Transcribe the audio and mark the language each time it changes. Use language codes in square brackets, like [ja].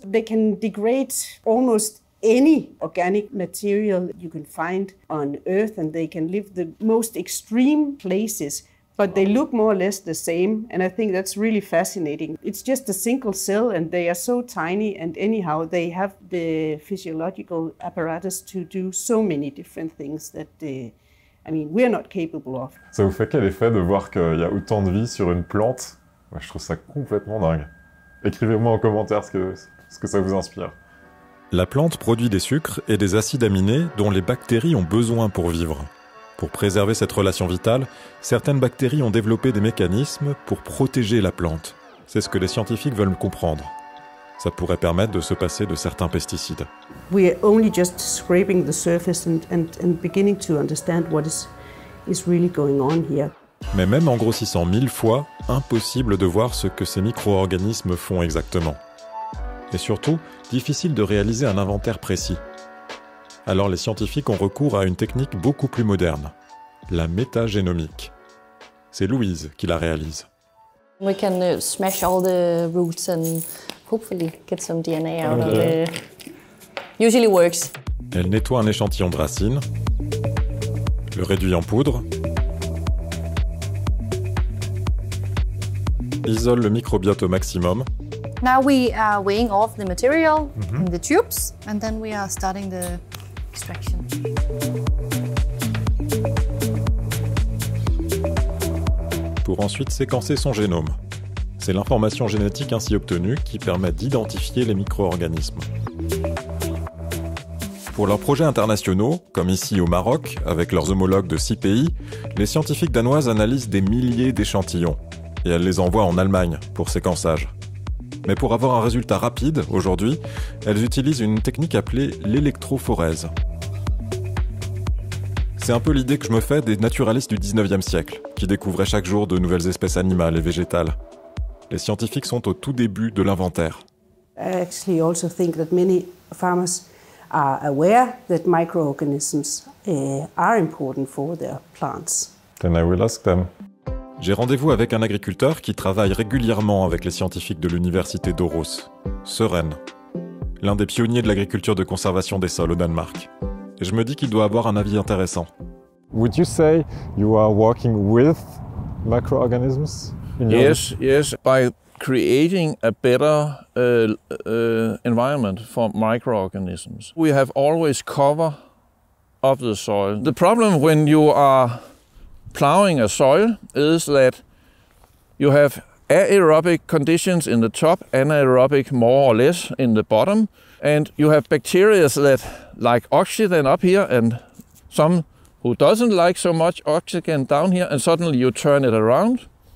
[en] They can degrade almost any organic material you can find on Earth, and they can live the most extreme places, but they look more or less the same, and I think that's really fascinating. It's just a single cell, and they are so tiny, and anyhow, they have the physiological apparatus to do so many different things that, I mean, we're not capable of. [fr] Ça vous fait quel effet de voir qu'il y a autant de vie sur une plante? Moi, je trouve ça complètement dingue. Écrivez-moi en commentaire ce que ça vous inspire. La plante produit des sucres et des acides aminés dont les bactéries ont besoin pour vivre. Pour préserver cette relation vitale, certaines bactéries ont développé des mécanismes pour protéger la plante. C'est ce que les scientifiques veulent comprendre. Ça pourrait permettre de se passer de certains pesticides. [en] We are only just scraping the surface and beginning to understand what is really going on here. [fr] Mais même en grossissant 1000 fois, impossible de voir ce que ces micro-organismes font exactement. Et surtout, difficile de réaliser un inventaire précis. Alors les scientifiques ont recours à une technique beaucoup plus moderne, la métagénomique. C'est Louise qui la réalise. [en] We can smash all the roots and hopefully get some DNA out of it. Usually works. [fr] Elle nettoie un échantillon de racines, le réduit en poudre, isole le microbiote au maximum. [en] Now we are weighing off the material in the tubes, and then we are starting the extraction. [fr] Pour ensuite séquencer son génome. C'est l'information génétique ainsi obtenue qui permet d'identifier les micro-organismes. Pour leurs projets internationaux, comme ici au Maroc, avec leurs homologues de 6 pays, les scientifiques danoises analysent des milliers d'échantillons, et elles les envoient en Allemagne pour séquençage. Mais pour avoir un résultat rapide, aujourd'hui, elles utilisent une technique appelée l'électrophorèse. C'est un peu l'idée que je me fais des naturalistes du 19e siècle, qui découvraient chaque jour de nouvelles espèces animales et végétales. Les scientifiques sont au tout début de l'inventaire. [en] I actually also think that many farmers are aware that microorganisms are important for their plants. Then I will ask them. [fr] j'ai rendez-vous avec un agriculteur qui travaille régulièrement avec les scientifiques de l'université d'Aarhus, Søren, l'un des pionniers de l'agriculture de conservation des sols au Danemark. Et je me dis qu'il doit avoir un avis intéressant. [en] Would you say you are working with microorganisms? Yes, by creating a better environment for microorganisms. We have always cover of the soil. The problem when you are plowing a soil is that you have aerobic conditions in the top, anaerobic more or less in the bottom, and you have bacteria that like oxygen up here and some who doesn't like so much oxygen down here, and suddenly you turn it around.